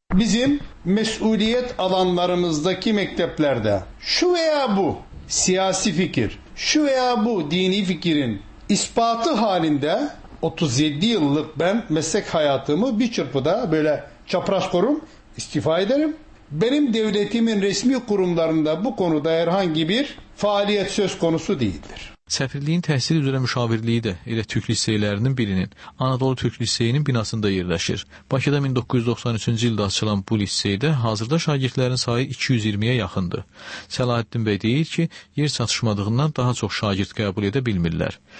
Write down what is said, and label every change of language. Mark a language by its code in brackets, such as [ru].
[tr] Bizim məsuliyyət alanlarımızdakı məktəblərdə şu və ya bu siyasi fikir, şu və ya bu dini fikrin ispatı halində 37 yıllık ben meslek hayatımı bir çırpıda böyle çapraz korum, istifa ederim. Benim devletimin resmi kurumlarında bu konuda herhangi bir faaliyet söz konusu değildir. [az] Səfirliyin təhsil üzrə müşavirliyi də elə Türk liseylərinin birinin, Anadolu Türk Liseyinin binasında yerləşir. Bakıda 1993-cü ildə açılan bu liseydə hazırda şagirdlərin sayı 220-yə yaxındır. Səlahəddin bəy deyir ki, yer çatışmadığından daha çox şagird qəbul edə bilmirlər.